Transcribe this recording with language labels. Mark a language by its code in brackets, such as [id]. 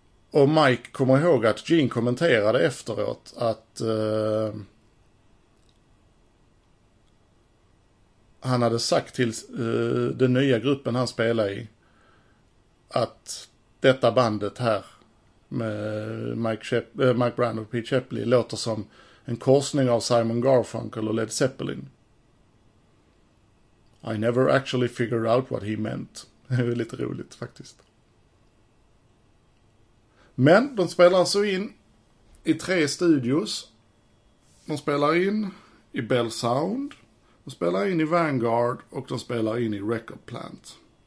[sv] Och Mike kommer ihåg att Gene kommenterade efteråt att han hade sagt till den nya gruppen han spelar i att detta bandet här med Mike Brand och Pete Shepley låter som en korsning av Simon Garfunkel och Led Zeppelin. [en] I never actually figured out what he meant. [sv] Det är lite roligt faktiskt. Men de spelar alltså in i tre studios. De spelar in i Bell Sound. De spelar in i Vanguard. Och de spelar in i Record Plant.